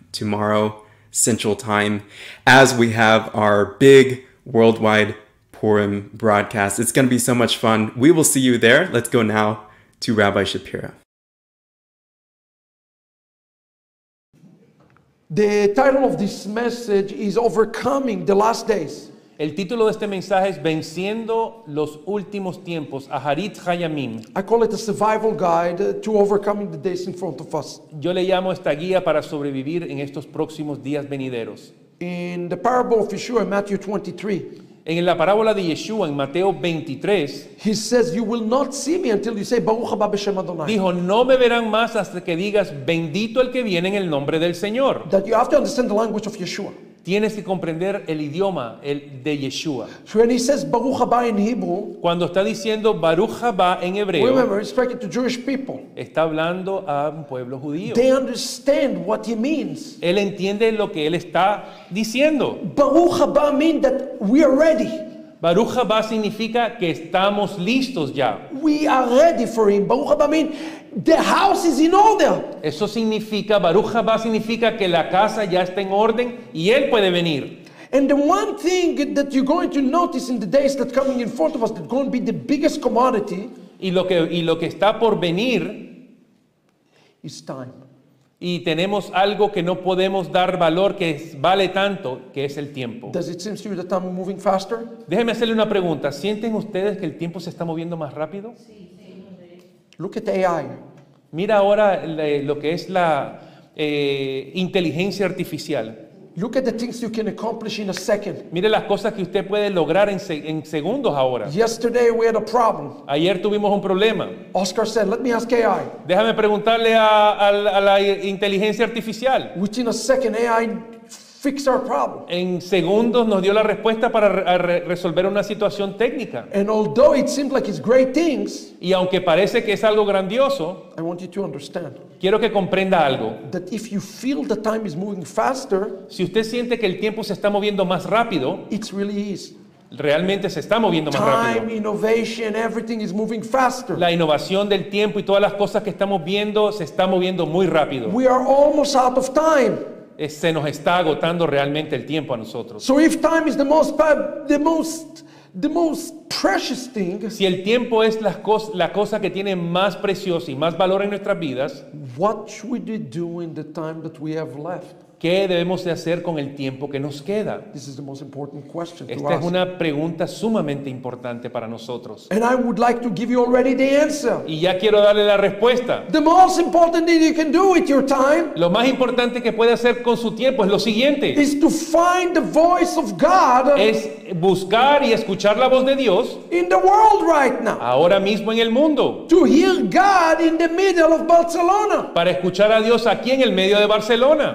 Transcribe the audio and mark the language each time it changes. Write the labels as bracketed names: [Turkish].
[English] tomorrow, Central Time, as we have our big worldwide Purim broadcast. It's going to be so much fun. We will see you there. Let's go now to Rabbi Shapira. The title of this message is Overcoming the Last Days. [Spanish] El título de este mensaje es Venciendo los Últimos Tiempos, [Hebrew] Aharit Hayamim. [English] I call it a survival guide to overcoming the days in front of us. [Spanish] Yo le llamo esta guía para sobrevivir en estos próximos días venideros. [English] In the parable of Yeshua, Matthew 23. [Spanish] En la parábola de Yeshua, en Mateo 23, [English] He says, you will not see me until you say, [Hebrew] Baruch haba b'shem Adonai. [Spanish] Dijo, no me verán más hasta que digas, bendito el que viene en el nombre del Señor. [English] That you have to understand the language of Yeshua. [Spanish] Tienes que comprender el idioma de Yeshua. [English] So when he says, Baruch haba in Hebrew, [Spanish] cuando está diciendo, Baruch haba en hebreo, [English] remember, he's speaking to Jewish people. [Spanish] Está hablando a un pueblo judío. [English] They understand what he means. [Spanish] Él entiende lo que él está diciendo. [English] Baruch haba means that we are ready. [Spanish] Baruch haba significa que estamos listos ya. [English] we are ready for him. Baruch haba means the house is in order. [Spanish] Eso significa, Baruch haba significa que la casa ya está en orden y él puede venir. [English] And the one thing that you're going to notice in the days that coming in front of us that's going to be the biggest commodity. [Spanish] Y lo que está por venir [English] is time. [Spanish] Y tenemos algo que no podemos dar valor, que es, vale tanto, que es el tiempo. [English] Does it seem to you that I'm moving faster? [Spanish] Déjeme hacerle una pregunta. ¿Sienten ustedes que el tiempo se está moviendo más rápido? Sí. [English] Look at the AI. [Spanish] Mira ahora lo que es la inteligencia artificial. [English] Look at the things you can accomplish in a second. [Spanish] Mire las cosas que usted puede lograr en segundos ahora. [English] Yesterday we had a problem. [Spanish] Ayer tuvimos un problema. [English] Oscar said, "Let me ask AI." [Spanish] Déjame preguntarle a la inteligencia artificial. [English] Within a second, AI fixed our problem. [Spanish] En segundos nos dio la respuesta para resolver una situación técnica. [English] And although it seems like it's great things, [Spanish] y aunque parece que es algo grandioso, [English] I want you to understand. [Spanish] Quiero que comprenda algo. [English] That if you feel the time is moving faster, [Spanish] si usted siente que el tiempo se está moviendo más rápido, [English] it really is. [Spanish] Realmente se está moviendo más [English] time, [Spanish] rápido. [English] Innovation, everything is moving faster. [Spanish] La innovación del tiempo y todas las cosas que estamos viendo se está moviendo muy rápido. [English] We are almost out of time. [Spanish] Se nos está agotando realmente el tiempo a nosotros. [English] So if time is the most precious thing, [Spanish] si el tiempo es la cosa que tiene más precioso y más valor en nuestras vidas, [English] what should we do in the time that we have left? [Spanish] ¿Qué debemos de hacer con el tiempo que nos queda? [English] This is the most important question [Spanish] Esta [English] to [Spanish] es [English] ask. [Spanish] Una pregunta sumamente importante para nosotros. [English] And I would like to give you already the answer. [Spanish] Y ya quiero darle la respuesta. [English] The most important thing you can do with your time, [Spanish] lo más importante que puede hacer con su tiempo es lo siguiente. [English] Is to find the voice of God, [Spanish] es buscar y escuchar la voz de Dios [English] in the world right now. [Spanish] Ahora mismo en el mundo. [English] To hear God in the middle of Barcelona. [Spanish] Para escuchar a Dios aquí en el medio de Barcelona.